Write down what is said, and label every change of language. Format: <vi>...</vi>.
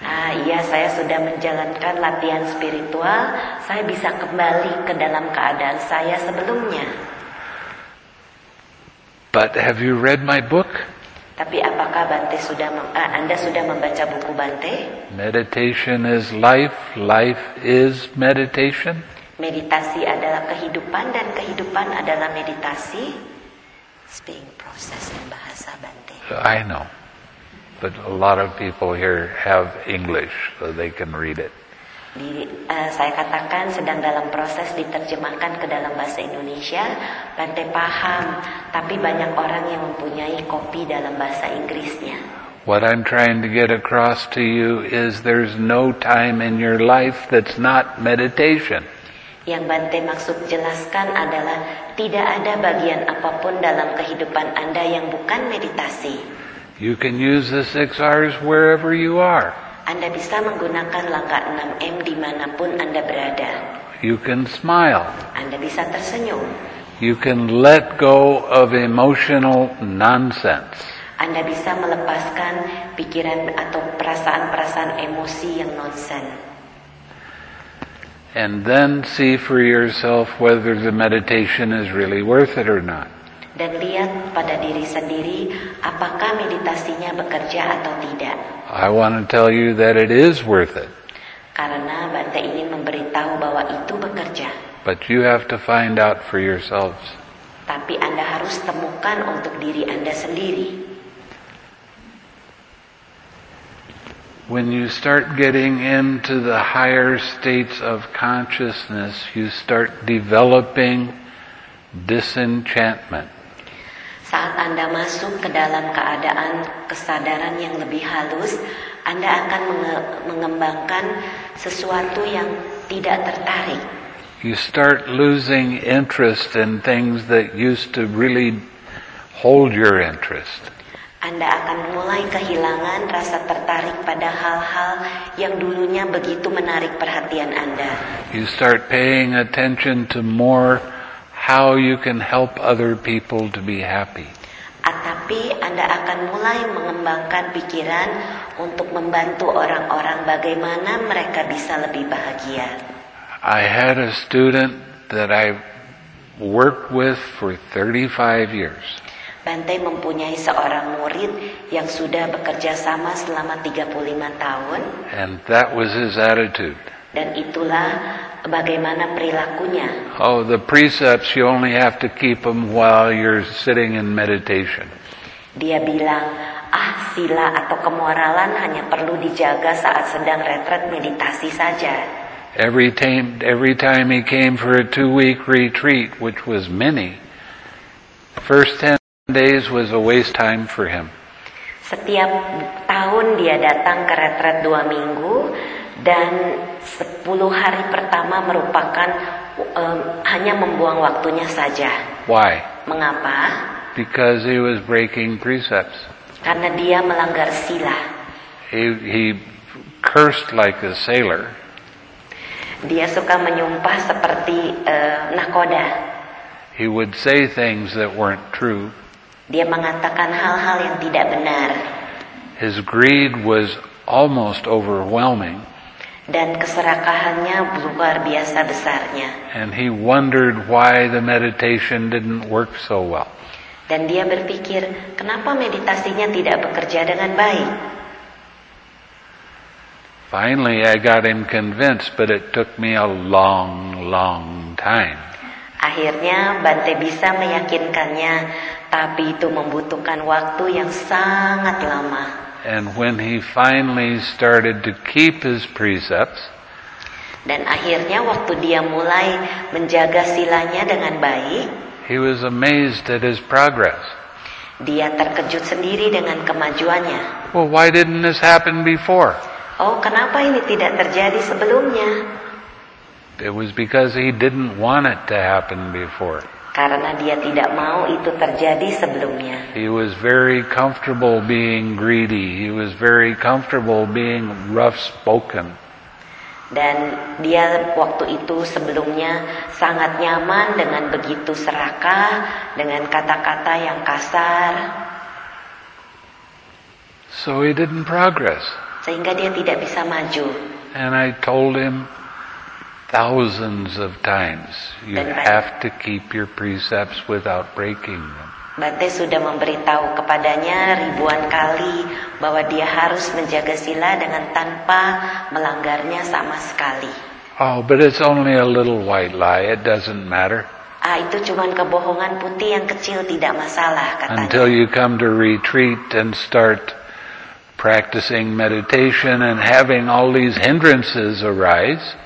<id>Iya, saya sudah menjalankan latihan spiritual. Saya bisa kembali ke dalam keadaan saya sebelumnya.</id> <en>But have you read my book?</en> <id>Tapi apakah Bante sudah Anda sudah membaca buku Bante?</id> <en>Meditation is life. Life is meditation.</en> <id>Meditasi adalah kehidupan dan kehidupan adalah meditasi.</id> <en>Speaking process in bahasa Bante. I know. But a lot of people here have English, so they can read it.</en> <id>Saya katakan sedang dalam proses diterjemahkan ke dalam bahasa Indonesia. Bante paham, tapi banyak orang yang mempunyai kopi dalam bahasa Inggrisnya.</id> <en>What I'm trying to get across to you is there's no time in your life that's not meditation.</en> <id>Yang Bante maksud jelaskan adalah tidak ada bagian apapun dalam kehidupan Anda yang bukan meditasi.</id> <en>You can use the 6 hours wherever you are.</en> <id>Anda bisa menggunakan langkah 6M dimanapun Anda berada.</id> <en>You can smile.</en> <id>Anda bisa tersenyum.</id> <en>You can let go of emotional nonsense.</en> <id>Anda bisa melepaskan pikiran atau perasaan-perasaan emosi yang nonsense.</id> <en>And then see for yourself whether the meditation is really worth it or not.</en> <id>Dan lihat pada diri sendiri apakah meditasinya bekerja atau tidak.</id> <en>I want to tell you that it is worth it.</en> <id>Karena Bante ingin memberitahu bahwa itu bekerja.</id> <en>But you have to find out for yourselves.</en> <id>Tapi Anda harus temukan untuk diri Anda sendiri.</id> <en>When you start getting into the higher states of consciousness, you start developing disenchantment.</en> <id>Saat Anda masuk ke dalam keadaan kesadaran yang lebih halus, Anda akan mengembangkan sesuatu yang tidak tertarik.</id> <en>You start losing interest in things that used to really hold your interest.</en> <id>Anda akan mulai kehilangan rasa tertarik pada hal-hal yang dulunya begitu menarik perhatian Anda.</id> <en>You start paying attention to more how you can help other people to be happy.</en> <id>Tetapi Anda akan mulai mengembangkan pikiran untuk membantu orang-orang bagaimana mereka bisa lebih bahagia.</id> <en>I had a student that I worked with for 35 years.</en> <id>Bante mempunyai seorang murid yang sudah bekerja sama selama 35 tahun.</id> <en>And that was his attitude.</en> <id>Dan itulah bagaimana perilakunya.</id> <en>Oh, the precepts, you only have to keep them while you're sitting in meditation.</en> <id>Dia bilang, sila atau kemoralan hanya perlu dijaga saat sedang retret meditasi saja.</id> <en>Every time he came for a 2-week retreat, which was many, first 10 days was a waste time for him.</en> <id>Setiap tahun dia datang ke retret 2 minggu, dan 10 hari pertama merupakan hanya membuang waktunya saja.</id> <en>Why?</en> <id>Mengapa?</id> <en>Because he was breaking precepts.</en> <id>Karena dia melanggar sila.</id> <en>He cursed like a sailor.</en> <id>Dia suka menyumpah seperti nakoda.</id> <en>He would say things that weren't true.</en> <id>Dia mengatakan hal-hal yang tidak benar.</id> <en>His greed was almost overwhelming.</en> <id>Dan keserakahannya luar biasa besarnya.</id> <en>And he wondered why the meditation didn't work so well.</en> <id>Dan dia berpikir, kenapa meditasinya tidak bekerja dengan baik?</id> <en>Finally, I got him convinced, but it took me a long, long time.</en> <id>Akhirnya, Bante bisa meyakinkannya, tapi itu membutuhkan waktu yang sangat lama.</id> <en>And when he finally started to keep his precepts,</en> <id>dan akhirnya waktu dia mulai menjaga silanya dengan baik,</id> <en>he was amazed at his progress.</en> <id>Dia terkejut sendiri dengan kemajuannya.</id> <en>Well, why didn't this happen before?</en> <id>Oh, kenapa ini tidak terjadi sebelumnya?</id> <en>It was because he didn't want it to happen before.</en> <id>Karena dia tidak mau itu terjadi sebelumnya.</id> <en>He was very comfortable being greedy. He was very comfortable being rough-spoken.</en> <id>Dan dia waktu itu sebelumnya sangat nyaman dengan begitu serakah, dengan kata-kata yang kasar.</id> <en>So he didn't progress.</en> <id>Sehingga dia tidak bisa maju.</id> <en>And I told him thousands of times, you have to keep your precepts without breaking them.</en> <id>Bante sudah memberitahu kepadanya ribuan kali bahwa dia harus menjaga sila dengan tanpa melanggarnya sama sekali.</id> <en>Oh, but it's only a little white lie. It doesn't matter.</en> <id>Ah, itu cuma kebohongan putih yang kecil, tidak masalah, katanya.</id> <en>Until you come to retreat and start practicing meditation and having all these hindrances arise.</en>